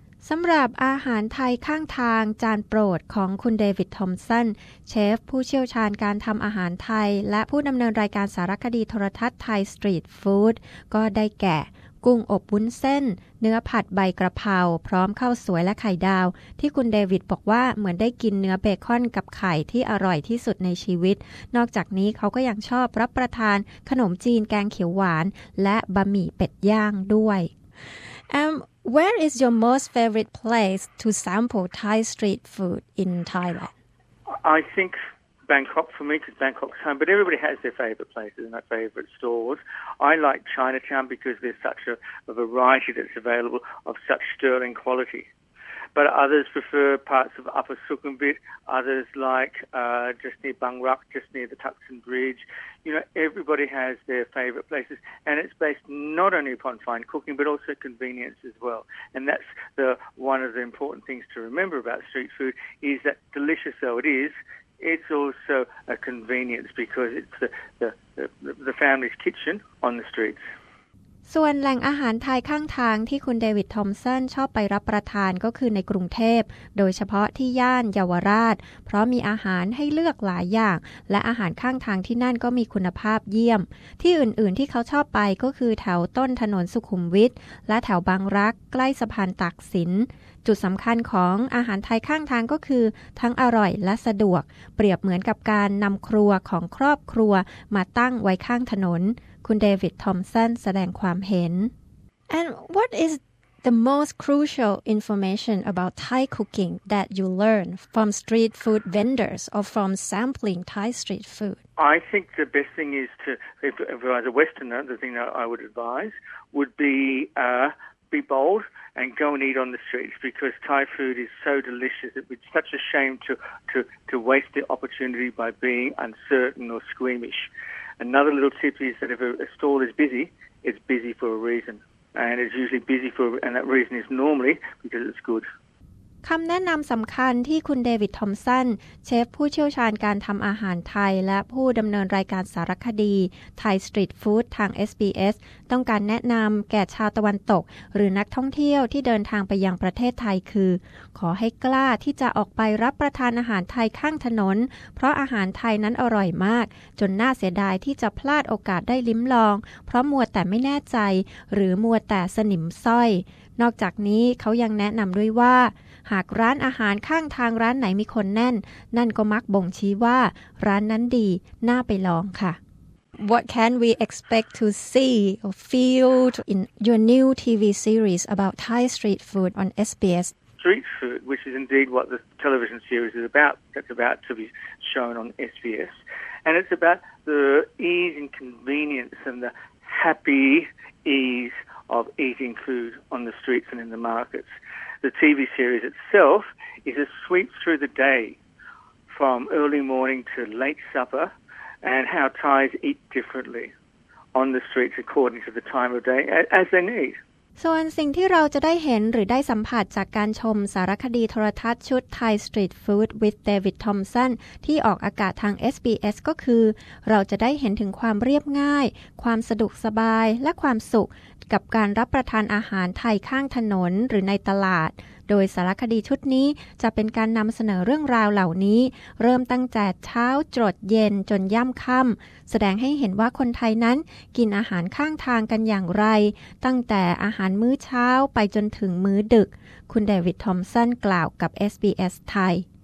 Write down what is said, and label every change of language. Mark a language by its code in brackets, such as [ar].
[th] สำหรับอาหารไทยข้างทางจานโปรดของคุณเดวิดทอมสันเชฟผู้เชี่ยวชาญการทำอาหารไทยและผู้ดำเนินรายการสารคดีโทรทัศน์ไทยสตรีทฟู้ดก็ได้แก่กุ้งอบวุ้นเส้นเนื้อผัดใบกระเพราพร้อมข้าวสวยและไข่ดาวที่คุณเดวิดบอกว่าเหมือนได้กินเนื้อเบคอนกับไข่ที่อร่อยที่สุดในชีวิตนอกจากนี้เขาก็ยังชอบรับประทานขนมจีนแกงเขียวหวานและบะหมี่เป็ดย่างด้วย [en] Where is your most favorite place to sample Thai street food in Thailand? I think Bangkok for me because Bangkok's home, but everybody has their favorite places and their favorite stores. I like Chinatown because there's such a variety that's available of such sterling quality. But others prefer parts of Upper Sukhumvit. Others like just near Bang Rak, just near the Thaksin Bridge. You know, everybody has their favorite places, and it's based not only upon fine cooking but also convenience as well. And that's the one of the important things to remember about street food is that delicious though it is. It's also a convenience because it's the family's kitchen on the streets. [th] ส่วนแหล่งอาหารไทยข้างทางที่คุณเดวิดทอมสันชอบไปรับประทานก็คือในกรุงเทพโดยเฉพาะที่ย่านเยาวราชเพราะมีอาหารให้เลือกหลายอย่างและอาหารข้างทางที่นั่นก็มีคุณภาพเยี่ยมที่อื่นๆที่เขาชอบไปก็คือแถวต้นถนนสุขุมวิทและแถวบางรักใกล้สะพานตากสิน จุดสำคัญของอาหารไทยข้างทางก็คือทั้งอร่อยและสะดวกเปรียบเหมือนกับการนำครัวของครอบครัวมาตั้งไว้ข้างถนนคุณเดวิดทอมสันแสดงความเห็น [en] And what is the most crucial information about Thai cooking that you learn from street food vendors or from sampling Thai street food? I think the best thing is to, if I was a Westerner, the thing that I would advise would be bold and go and eat on the streets, because Thai food is so delicious. It would be such a shame to waste the opportunity by being uncertain or squeamish. Another little tip is that if a stall is busy, it's busy for a reason. And it's usually busy for, and that reason is normally because it's good. [th] คำแนะนำสำคัญที่คุณเดวิดทอมสันเชฟผู้เชี่ยวชาญการทำอาหารไทยและผู้ดำเนินรายการสารคดี Thai Street Food ทาง SBS ต้องการแนะนำแก่ชาวตะวันตกหรือนักท่องเที่ยวที่เดินทางไปยังประเทศไทยคือขอให้กล้าที่จะออกไปรับประทานอาหารไทยข้างถนนเพราะอาหารไทยนั้นอร่อยมากจนน่าเสียดายที่จะพลาดโอกาสได้ลิ้มลองเพราะมัวแต่ไม่แน่ใจ หรือมัวแต่สนิมสร้อยนอกจากนี้เขายังแนะนำด้วยว่าหากร้านอาหารข้างทางร้านไหนมีคนแน่นนั่นก็มักบ่งชี้ว่าร้านนั้นดีน่าไปลองค่ะ [en] What can we expect to see or feel in your new TV series about Thai street food on SBS? Street food, which is indeed what the television series is about, that's about to be shown on SBS. And it's about the ease and convenience and the happy ease of eating food on the streets and in the markets. The TV series itself is a sweep through the day from early morning to late supper and how Thais eat differently on the streets according to the time of day as they need. [th] ส่วนสิ่งที่เราจะได้เห็นหรือได้สัมผัสจากการชมสารคดีโทรทัศน์ชุด Thai Street Food with David Thompson ที่ออกอากาศทาง SBS ก็คือเราจะได้เห็นถึงความเรียบง่ายความสะดวกสบายและความสุข กับการรับประทานอาหารไทยข้างถนนหรือในตลาดโดยสารคดีชุดนี้จะเป็นการนำเสนอเรื่องราวเหล่านี้เริ่มตั้งแต่เช้าจดเย็นจนย่ำค่ำแสดงให้เห็นว่าคนไทยนั้นกินอาหารข้างทางกันอย่างไรตั้งแต่อาหารมื้อเช้าไปจนถึงมื้อดึกคุณเดวิดทอมสันกล่าวกับ SBS ไทย